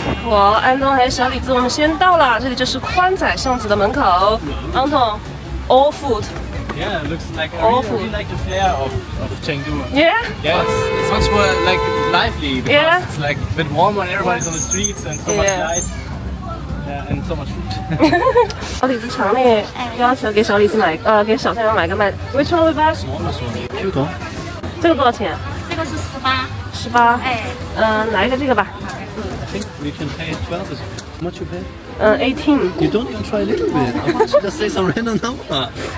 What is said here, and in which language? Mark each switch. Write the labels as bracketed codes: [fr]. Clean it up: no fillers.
[zh] 我安东还有小李子，我们先到了，这里就是宽窄巷子的门口。 [en] 安东 ，all food。 Yeah, it looks like a really, really like the flair of Chengdu. Yeah. Yes, it's much more like lively because it's like a bit warmer and everybody's on the streets and so much light and so much food. [zh] 小李子强烈要求给小李子买，给小太阳买个麦。 [en] Which one we buy? Q [zh] 同。这个多少钱？这个是18。 18。哎。来一个这个吧。 [en] We can pay 12. How much you pay? 18. You don't even try a little bit. I want to just say some random number.